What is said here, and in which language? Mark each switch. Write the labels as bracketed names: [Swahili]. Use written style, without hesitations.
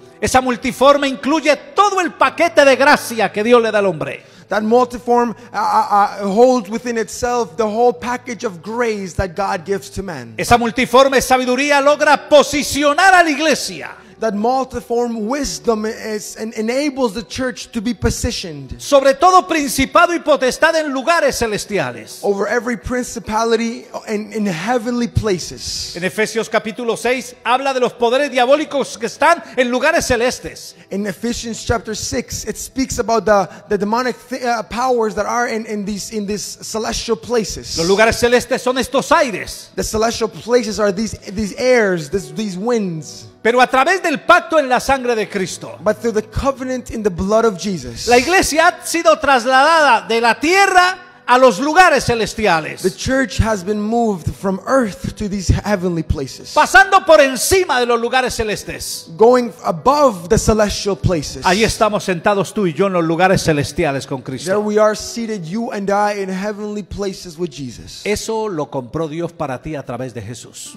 [Spanish] Esa multiforme incluye todo el paquete de gracia que Dios le da al hombre. [English] That multiform holds within itself the whole package of grace that God gives to man. [Spanish] Esa multiforme sabiduría logra posicionar a la iglesia. [English] That multiform wisdom enables the church to be positioned. [Spanish] Sobre todo principado y potestad en lugares celestiales. [English] Over every principality in heavenly places. [Spanish] En Efesios capítulo 6 habla de los poderes diabólicos que están en lugares celestes. [English] In Ephesians chapter 6 it speaks about the demonic powers that are in these celestial places. [Spanish] Los lugares celestes son estos aires. [English] The celestial places are these airs, these winds. [Spanish] Pero a través del pacto en la sangre de Cristo. [English] But through the covenant in the blood of Jesus. [Spanish] La iglesia ha sido trasladada de la tierra a los lugares celestiales. [English] The church has been moved from earth to these heavenly places. [Spanish] Pasando por encima de los lugares celestes. [English] Going above the celestial places. [Spanish] Ahí estamos sentados tú y yo en los lugares celestiales con Cristo. [English] There we are seated, you and I, in heavenly places with Jesus. [Spanish] Eso lo compró Dios para ti a través de Jesús.